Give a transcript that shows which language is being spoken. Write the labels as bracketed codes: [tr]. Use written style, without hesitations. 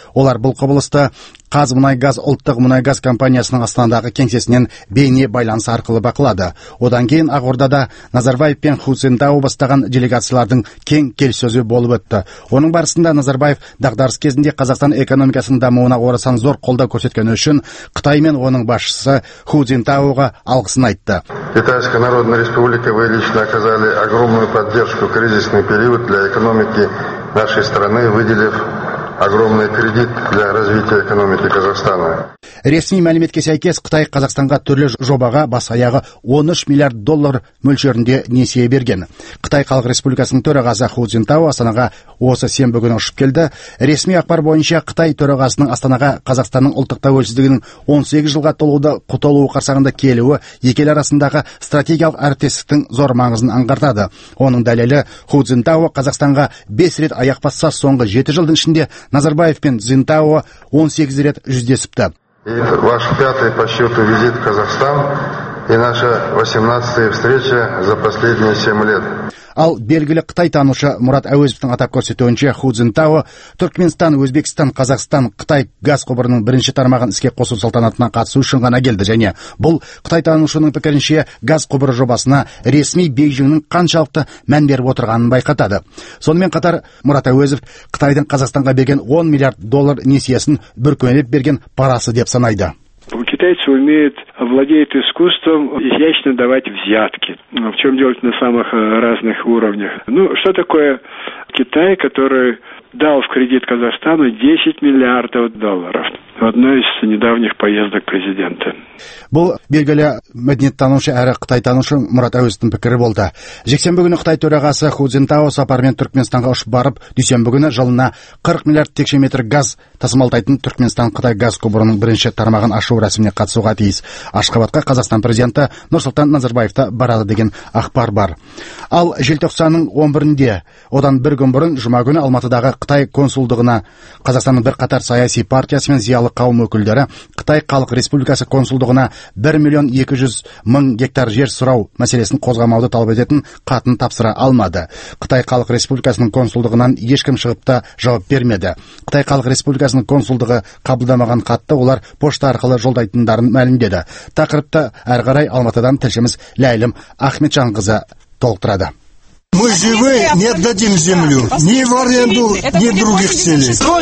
[kk] Олар бұл құбылысты Қазмұнайгаз ұлттық мұнайгаз компаниясының Астанадағы кеңсесінен бейне байланыс арқылы бақылады. Одан кейін Ақордада Назарбаев пен Ху Цзиньтао бастаған делегациялардың кең келіссөзі болып өтті. Оның барысында Назарбаев дағдарыс кезінде Қазақстан экономикасының дамуына орасан зор қолдау көрсеткені үшін Қытай мен оның басшысы Ху Цзиньтаоға алғысын айтты. [ru] Китайская Народная Республика, вы лично оказали огромную поддержку в кризисный период для экономики нашей страны, выделив огромный кредит для развития экономики Казахстана. [kk] Ресми мәліметке сәйкес, Қытай Қазақстанға түрлі жобаға бас аяғы 13 миллиард доллар мөлшерінде несие берген. Қытай Халық Республикасының төрағасы Ху Цзиньтао Астанаға осы сенбі күні ұшып келді. Ресми ақпар бойынша Қытай төрағасының Астанаға Қазақстанның ұлттық тәуелсіздігінің 18 жылға толуы қарсаңында келуі екі ел арасындағы стратегиялық әріптестіктің зор маңызын аңғартады. Оның дәлелі Ху Цзиньтао Қазақстанға 5 рет аяқ басса соңғы 7 жылдың ішінде Назарбаев пен Цзиньтао 18 рет жүздесіпті. [ru] И ваш пятый по счету визит в Казахстан и наша 18-я встреча за последние 7 лет. [kk] Ал белгілі Қытай танушы Мұрат Әуезовтің атап көрсетуінше Ху Цзиньтао Түркменстан, Өзбекстан, Қазақстан, Қытай газ құбырының бірінші тармағын іске қосу салтанатына қатысу үшін ғана келді және бұл Қытай танушының пікірінше газ құбыры жобасына ресми Бейжіңнің қаншалықты мән беріп отырғанын байқатады. Сонымен қатар Мұрат Әуезов Қытайдың Қазақстанға берген 10 миллиард доллар несиесін бүркемелеп берген парасы деп санайды. [ru] Китайцы умеют, владеют искусством изящно давать взятки. В чем дело на самых разных уровнях? Ну, что такое Китай, который дал в кредит Казахстану 10 миллиардов долларов в одной из недавних поездок президента? [kk] Бұл белгілі мәдениеттанушы әрі қытайтанушы Мұрат Әуезовтің пікірі болды. Жексенбі күні Қытай төрағасы Ху Цзиньтао сапармен Түркменстанға ұшып барып, дүйсенбі күні жылына 40 миллиард текше метр газ тасымалдайтын Түркменстан-Қытай газ құбырының бірінші тармағын ашу рәсіміне қатысуға тиіс. Ашхабадқа Қазақстан президенті Нұрсұлтан Назарбаев та барады деген ақпар бар. Ал желтоқсанның 11-інде, одан бір күн бұрын жұма күні Алматыдағы Қытай консулдығына Қазақстанның бірқатар саяси партиясы мен зиялы қауым өкілдері Қытай Халық Республикасы консулдығына 1 миллион 200 мың гектар жер сұрау мәселесін қозғамауды талап ететін қатын тапсыра алмады. Қытай Халық Республикасының консулдығынан ешкім шығып та жауап бермеді. Қытай Халық Республикасының консулдығы қабылдамаған қатты олар пошта арқылы жолдайтындарын мәлімдеді. Тақырыпты әрі қарай Алматыдан тілшіміз Ләйлім Ахметжанқызы толықтырады. [ru] Мы живы, не отдадим землю ни в аренду, ни в других целях.